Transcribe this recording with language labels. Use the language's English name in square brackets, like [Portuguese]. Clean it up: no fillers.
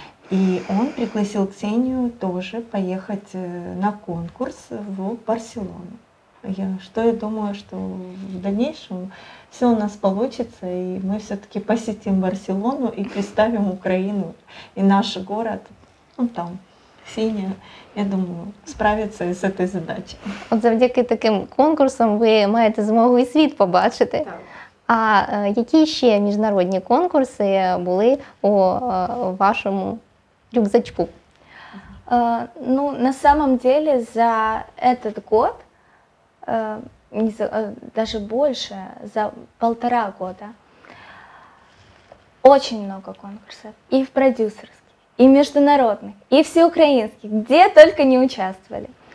[Russian] И он пригласил Ксению тоже поехать на конкурс в Барселону. Я думаю, что в дальнейшем все у нас получится, и мы все-таки посетим Барселону и представим Украину и наш город, ну, там. [Ukrainian] Ксения, я думаю, справиться з цією задачею. От завдяки таким конкурсам ви маєте змогу і світ побачити. Так. А які ще міжнародні конкурси були у вашому рюкзачку? [Russian] Ну, на самом деле за этот год, даже больше, за полтора года, Очень много конкурсов. И в продюсерских, и международных, и всеукраинских, где только не участвовали.